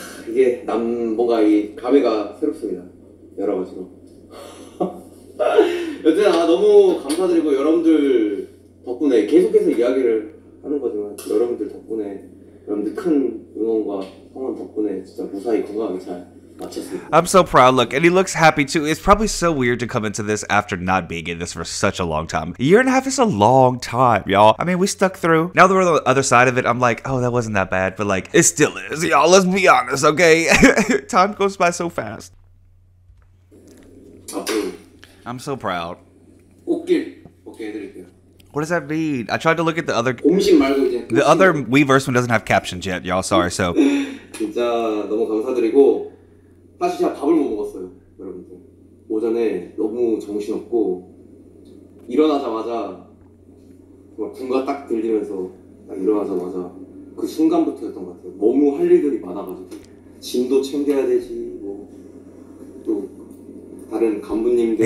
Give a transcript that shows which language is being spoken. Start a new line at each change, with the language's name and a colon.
Korean: 이게 남 뭔가 이 감회가 새롭습니다. 여러 가지로. 여튼 아 너무 감사드리고 여러분들 덕분에 계속해서 이야기를 하는 거지만 여러분들 덕분에 여러분들 큰 응원과 성원 덕분에 진짜 무사히 건강하게 잘 마쳤습니다.
English: I'm so proud. Look, and he looks happy too. It's probably so weird to come into this after not being in this for such a long time. A year and a half is a long time, y'all. I mean, we stuck through. Now that we're on the other side of it, I'm like, oh, that wasn't that bad. But like, it still is, y'all. Let's be honest, okay? Time goes by so fast. I'm so proud. What does that mean? I tried to look at the other...
Korean: 음식 말고 이제...
English: The other Weverse one doesn't have captions yet, y'all. Sorry, so...
Korean: 진짜 너무 감사드리고... 사실 제가 밥을 못 먹었어요, 여러분들. 오전에 너무 정신없고 일어나자마자 정말 군가 딱 들리면서 딱 일어나자마자 그 순간부터였던 것 같아요. 너무 할 일들이 많아가지고 짐도 챙겨야 되지, 뭐 또 다른 간부님들,